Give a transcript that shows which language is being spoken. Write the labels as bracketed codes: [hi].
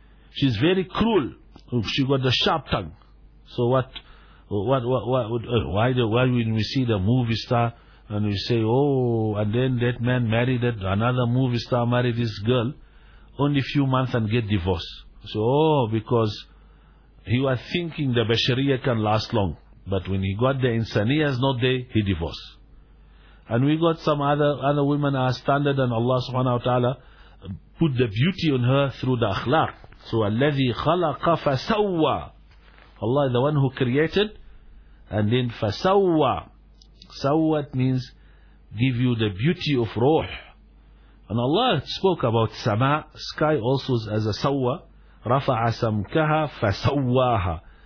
[en] She's very cruel. She got a sharp tongue. So why when we see the movie star and we say, oh, and then that man married that another movie star, married this girl, only a few months and get divorced. So, oh, because he was thinking the bashariya can last long. But when he got the insaniya is not there, he divorced. And we got some other women are standard, and Allah subhanahu wa ta'ala put the beauty on her through the akhlaq. [ar] So, الَّذِي خَلَقَ فَسَوَّى. [en] Allah is the one who created, and then فَسَوَّى. سَوَّى means give you the beauty of ruh. And Allah spoke about sama, sky also as a sawa. [ar] رَفَعَ سَمْكَهَا فَسَوَّاهَا.